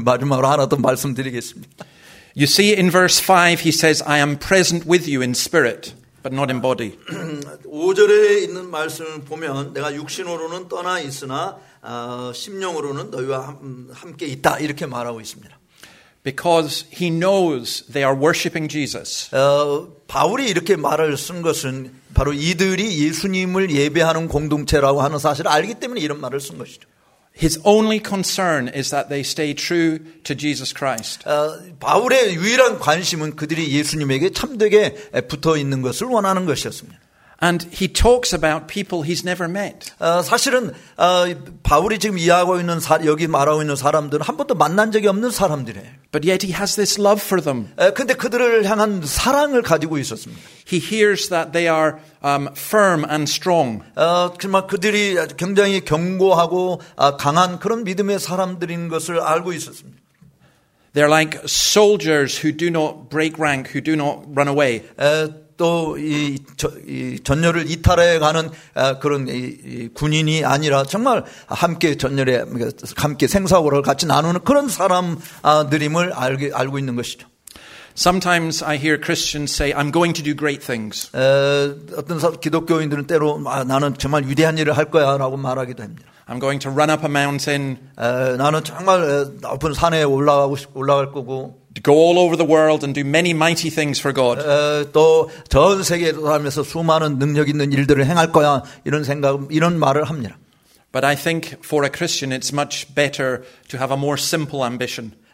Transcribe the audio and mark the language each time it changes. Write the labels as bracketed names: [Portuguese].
[Korean] 마지막으로 하나 더 말씀드리겠습니다. [English] You see, in verse 5, he says, I am present with you in spirit, but not in body. [Korean] 5절에 있는 말씀을 보면, 내가 육신으로는 떠나 있으나, 심령으로는 너희와 함께 있다. 이렇게 말하고 있습니다. [English] Because he knows they are worshipping Jesus. [Korean] 바울이 이렇게 말을 쓴 것은, 바로 이들이 예수님을 예배하는 공동체라고 하는 사실을 알기 때문에 이런 말을 쓴 것이죠. [English] His only concern is that they stay true to Jesus Christ. [Korean] 바울의 유일한 관심은 그들이 예수님에게 참되게 붙어 있는 것을 원하는 것이었습니다. [English] And he talks about people he's never met. [Korean] 사실은 바울이 지금 이야기하고 있는 여기 말하고 있는 사람들은 한 번도 만난 적이 없는 사람들이에요. [English] But yet he has this love for them. [Korean] 근데 그들을 향한 사랑을 가지고 있었습니다. [English] He hears that they are firm and strong. [Korean] 정말 그들이 굉장히 견고하고 강한 그런 믿음의 사람들인 것을 알고 있었습니다. [English] They're like soldiers who do not break rank, who do not run away. [Korean] 또 이 전열을 이탈해 가는 그런 이 군인이 아니라 정말 함께 전열에 함께 생사고를 같이 나누는 그런 사람들임을 알고 있는 것이죠. [English] Sometimes I hear Christians say, "I'm going to do great things." [Korean] 어떤 기독교인들은 때로 나는 정말 위대한 일을 할 거야라고 말하기도 합니다. [English] I'm going to run up a mountain. [Korean] 나는 정말 높은 산에 올라갈 거고. [English] Go all over the world and do many mighty things for God. [Korean] 또 전 세계 돌아다니면서 수많은 능력 있는 일들을 행할 거야 이런 생각 이런 말을 합니다. [English] But I think for a Christian, it's much better to have a more simple ambition.